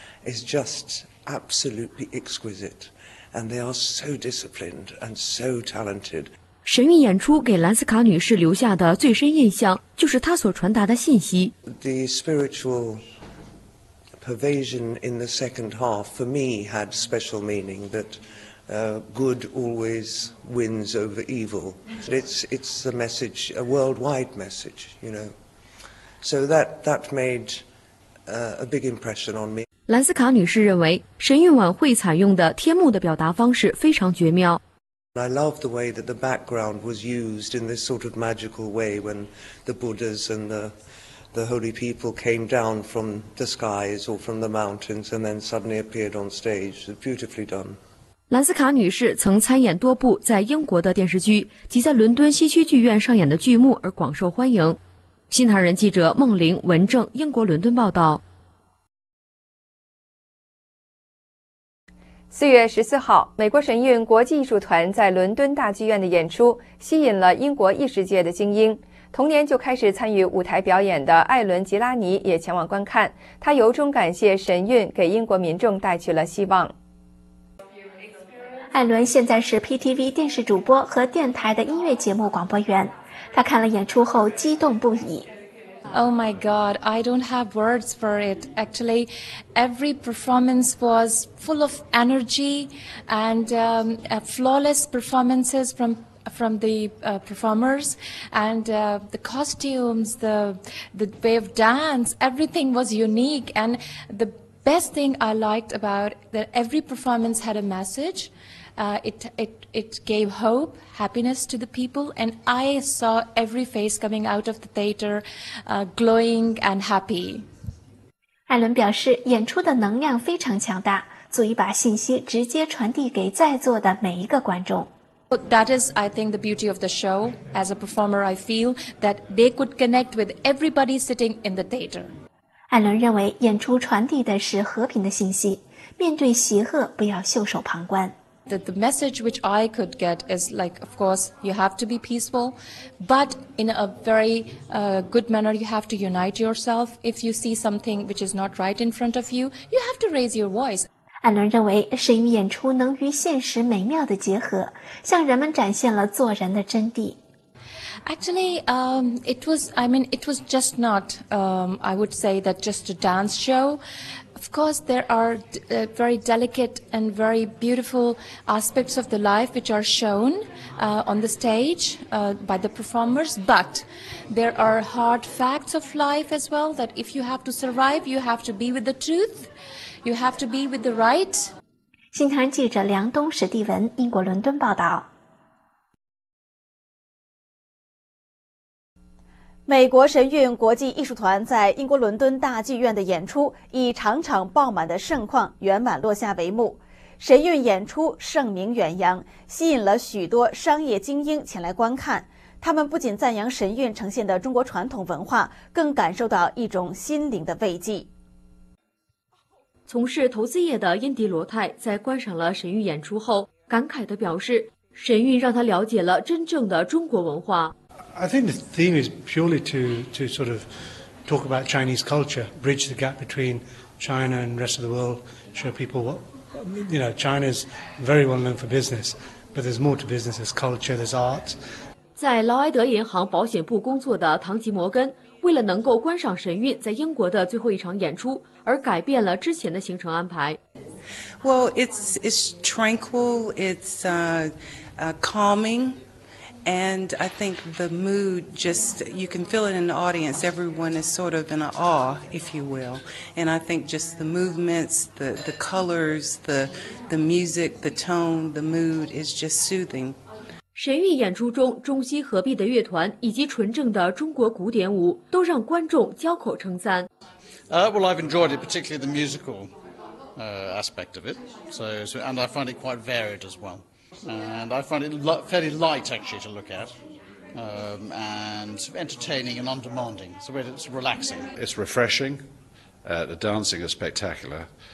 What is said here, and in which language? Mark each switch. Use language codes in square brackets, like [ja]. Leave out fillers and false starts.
[en] Is just absolutely exquisite, and they are so disciplined and so talented. [zh] 神韵演出给兰斯卡女士留下的最深印象就是她所传达的信息。 [en] The spiritual pervasion in the second half for me had special meaning that good always wins over evil. It's the message, a worldwide message, you know. So that made a big impression on me. [zh] 兰斯卡女士认为，神韵晚会采用的天幕的表达方式非常绝妙。 [en] I love the way that the background was used in this sort of magical way when the Buddhas and the holy people came down from the skies or from the mountains and then suddenly appeared on stage. Beautifully done. [zh] 兰斯卡女士曾参演多部在英国的电视剧及在伦敦西区剧院上演的剧目而广受欢迎。新唐人记者孟玲、文正，英国伦敦报道。 4月14号，美国神韵国际艺术团在伦敦大剧院的演出吸引了英国艺术界的精英。同年就开始参与舞台表演的艾伦·吉拉尼也前往观看，他由衷感谢神韵给英国民众带去了希望。艾伦现在是 PTV 电视主播和电台的音乐节目广播员，他看了演出后激动不已。 [en] Oh my God, I don't have words for it. Actually, every performance was full of energy and flawless performances from the performers and the costumes, the way of dance, everything was unique. And the best thing I liked about that every performance had a message. It gave hope, happiness to the people, and I saw every face coming out of the theater, glowing and happy. [zh] 艾伦表示，演出的能量非常强大，足以把信息直接传递给在座的每一个观众。 [en] That is, I think, the beauty of the show. As a performer, I feel that they could connect with everybody sitting in the theater. [zh] 艾伦认为，演出传递的是和平的信息，面对邪恶，不要袖手旁观。 [en] The message which I could get is like, of course, you have to be peaceful, but in a very good manner, you have to unite yourself. If you see something which is not right in front of you, you have to raise your voice. [zh] 艾伦认为，神韵演出能与现实美妙的结合，向人们展现了做人的真谛。 [en] Actually, it was just not, I would say that just a dance show. Of course, there are very delicate and very beautiful aspects of the life which are shown on the stage by the performers, but there are hard facts of life as well, that if you have to survive, you have to be with the truth, you have to be with the right. [zh] 新唐记者梁东、史蒂文，英国伦敦报道。美国神韵国际艺术团在英国伦敦大剧院的演出以场场爆满的盛况圆满落下帷幕。神韵演出盛名远扬，吸引了许多商业精英前来观看，他们不仅赞扬神韵呈现的中国传统文化，更感受到一种心灵的慰藉。从事投资业的印迪罗泰在观赏了神韵演出后感慨地表示，神韵让他了解了真正的中国文化。 [en] I think the theme is purely to sort of talk about Chinese culture, bridge the gap between China and the rest of the world, show people what, you know, China's very well known for business, but there's more to business, there's culture, there's art. [zh] 在劳埃德银行保险部工作的唐吉摩根，为了能够观赏神韵在英国的最后一场演出，而改变了之前的行程安排。 [en] Well, it's tranquil, it's calming. And I think the mood just, you can feel it in the audience, everyone is sort of in awe, if you will. And I think just the movements, the colors, the music, the tone, the mood is just soothing. [zh] 神韵演出中中西合璧的乐团以及纯正的中国古典舞都让观众交口称赞。 [en] Well, I've enjoyed it, particularly the musical. aspect of it. So, and I find it quite varied as well. And I find it fairly light, actually, to look at. And entertaining and undemanding. So it's relaxing. It's refreshing. The dancing is spectacular.